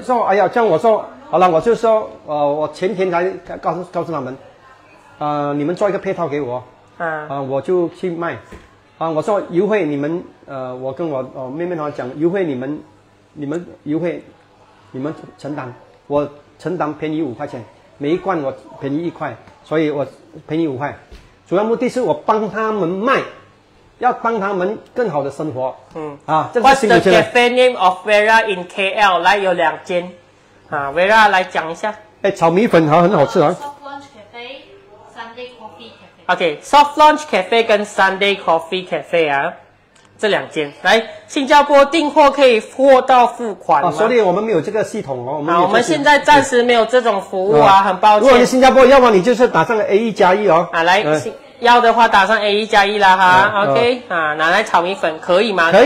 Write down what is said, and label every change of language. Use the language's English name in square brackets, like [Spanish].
[Chinese] 是说，哎呀，像我说，好了，我就说，我前天才告诉他们，你们做一个配套给我，我就去卖，我说优惠你们，我跟我妹妹他们讲，优惠你们优惠，你们承担，我承担便宜5块钱，每一罐我便宜1块，所以我赔你5块，主要目的是我帮他们卖，要帮他们更好的生活。 [English] What's the cafe name of Vera in KL？ [Chinese] 来有两间，Vera 来讲一下。炒米粉很好吃啊。 Soft Launch Cafe， Sunday Coffee Cafe。 OK， Soft Launch Cafe 跟 Sunday Coffee Cafe 啊，这两间。来，新加坡订货可以货到付款吗？所以我们没有这个系统哦。我们现在暂时没有这种服务啊，很抱歉。如果你新加坡，要么你就是打上 A1 加1哦。来，要的话打上 A1 加1啦哈。OK， 拿来炒米粉可以吗？可以，